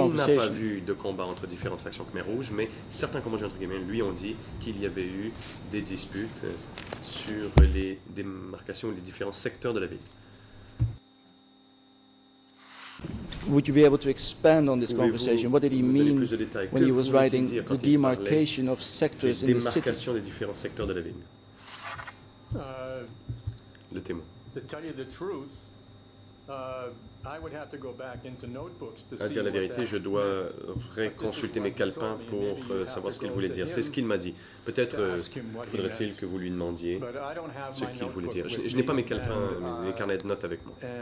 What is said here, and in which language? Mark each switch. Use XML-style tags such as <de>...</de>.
<fr>Il n'a pas vu de combat entre différentes factions Khmer Rouge, mais certains Cambodgiens entre guillemets lui ont dit qu'il y avait eu des disputes sur les démarcations, les différents secteurs de la ville.</fr> <en>Would you be able to expand on this conversation? What did he mean when he was writing the demarcation of sectors in the city?</en> <fr>Démarcation des différents secteurs de la ville. Le témoin.</fr> <en>To tell you the truth, I would have to go back into notebooks to see.</en> <fr>À dire la vérité, je dois consulter mes calepins pour savoir ce qu'il voulait dire. C'est ce qu'il m'a dit. Peut-être faudrait-il que vous lui demandiez ce qu'il voulait dire. Je n'ai pas mes calepins, mes carnets de notes avec moi.</fr>